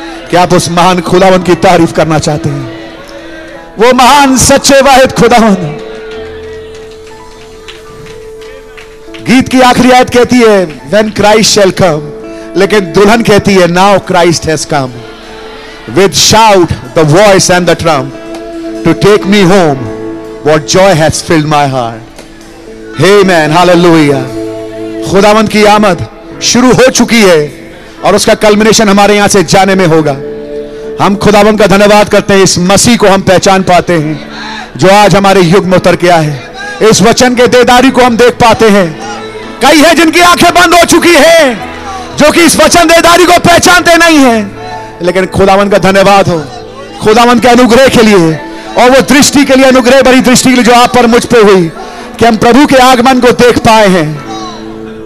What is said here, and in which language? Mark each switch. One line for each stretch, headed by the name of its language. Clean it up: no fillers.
Hindi: क्या आप उस महान खुदावन की तारीफ करना चाहते हैं? वो महान सच्चे वाहिद खुदावन. गीत की आखिरी आयत कहती है,
English: When Christ shall come.
Hindi: लेकिन दुल्हन कहती है,
English: Now Christ has come. With shout, the voice and the trump, to take me home, what joy has filled my heart. Amen, hallelujah.
Hindi: खुदावंद की आमद शुरू हो चुकी है और उसका कल्मिनेशन हमारे यहां से जाने में होगा. हम खुदावंद का धन्यवाद करते हैं, इस मसीह को हम पहचान पाते हैं जो आज हमारे युग में उतर के आए. इस वचन के देदारी को हम देख पाते हैं. कई है जिनकी आंखें बंद हो चुकी है, जो कि इस वचन देदारी को पहचानते नहीं है, लेकिन खुदावंद का धन्यवाद हो, खुदावंद के अनुग्रह के लिए और वो दृष्टि के लिए, अनुग्रह भरी दृष्टि के लिए जो आप पर मुझ पे हुई, कि हम प्रभु के आगमन को देख पाए हैं.